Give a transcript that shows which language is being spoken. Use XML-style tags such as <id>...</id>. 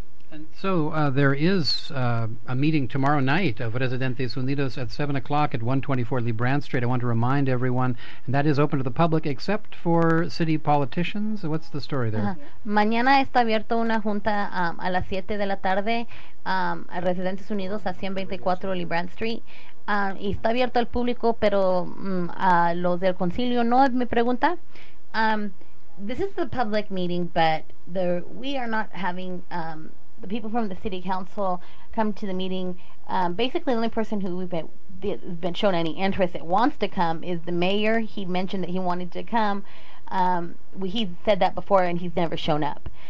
<en>And so there is a meeting tomorrow night of Residentes Unidos at 7 o'clock at 124 Lebrand Street. I want to remind everyone, and that is open to the public except for city politicians. What's the story there?</en> <es>Mañana está abierto una junta a las 7 de la tarde a Residentes Unidos a 124 Lebrand Street. Y está abierto al público, pero a los del concilio no, es mi pregunta.</es> <en>This is the public meeting, but we are not having the people from the city council come to the meeting. Basically, the only person who has been shown any interest that wants to come is the mayor. He mentioned that he wanted to come. He said that before, and he's never shown up.</en>